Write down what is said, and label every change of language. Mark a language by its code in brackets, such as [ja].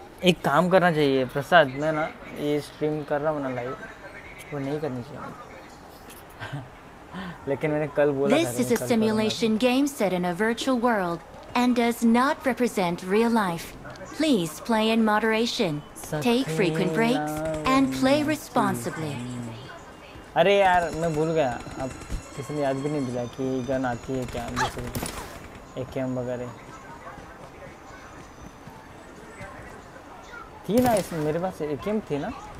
[hi] एक काम करना चाहिए प्रसाद मैं ना ये स्ट्रीम कर रहा हूँ ना लाइव वो नहीं करनी चाहिए लेकिन मैंने कल बोला था [en] This is a simulation game set in a virtual world and does not represent real life. Please play in moderation. Take frequent breaks and play responsibly. [hi] अरे यार मैं भूल गया अब किसी ने याद भी नहीं दिला कि गन आती है क्या जैसे AKM वगैरह थी ना इसमें मेरे पास AKM थी ना